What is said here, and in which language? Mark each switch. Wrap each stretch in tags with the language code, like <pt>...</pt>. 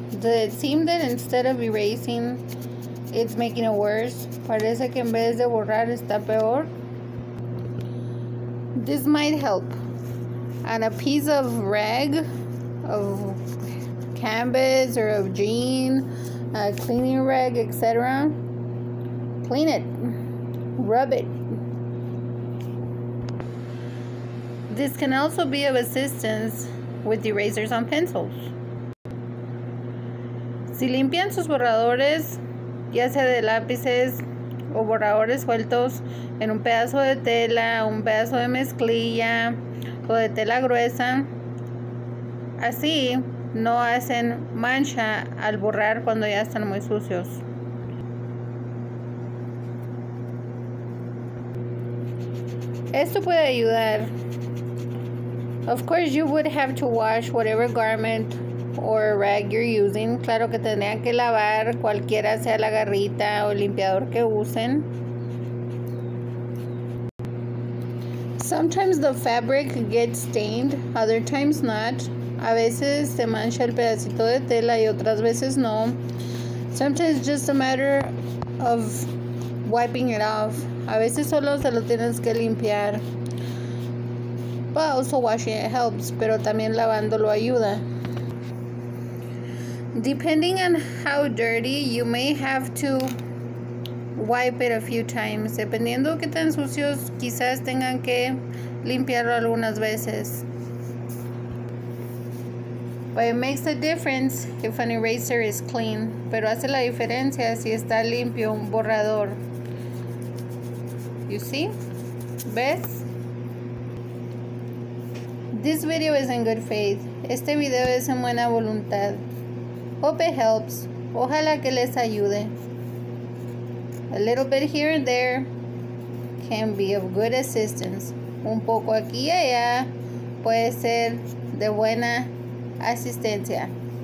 <en>Does it seem that instead of erasing, it's making it worse?</en> <es>Parece que en vez de borrar está peor.</es> <en>This might help. On a piece of rag, of canvas, or of jean, a cleaning rag, etc. Clean it. Rub it. This can also be of assistance with erasers on pencils.</en> <es>Si limpian sus borradores, ya sea de lápices o borradores sueltos, en un pedazo de tela, un pedazo de mezclilla o de tela gruesa, así no hacen mancha al borrar cuando ya están muy sucios. Esto puede ayudar.</es> <en>Of course, you would have to wash whatever garment or rag you're using.</en> <es>Claro que tendrían que lavar cualquiera sea la garrita o el limpiador que usen.</es> <en>Sometimes the fabric gets stained, other times not.</en> <es>A veces se mancha el pedacito de tela y otras veces no.</es> <en>Sometimes it's just a matter of wiping it off.</en> <es>A veces solo se lo tienes que limpiar.</es> <en>But also washing it helps,</en> <es>pero también lavándolo ayuda.</es> <en>Depending on how dirty, you may have to wipe it a few times.</en> <es>Dependiendo de qué tan sucios, quizás tengan que limpiarlo algunas veces.</es> <en>But it makes a difference if an eraser is clean.</en> <es>Pero hace la diferencia si está limpio un borrador.</es> <en>You see?</en> <es>¿Ves?</es> <en>This video is in good faith.</en> <es>Este video es en buena voluntad.</es> <en>Hope it helps.</en> <es>Ojalá que les ayude.</es> <en>A little bit here and there can be of good assistance.</en> <es>Un poco aquí y allá puede ser de buena asistencia.</es>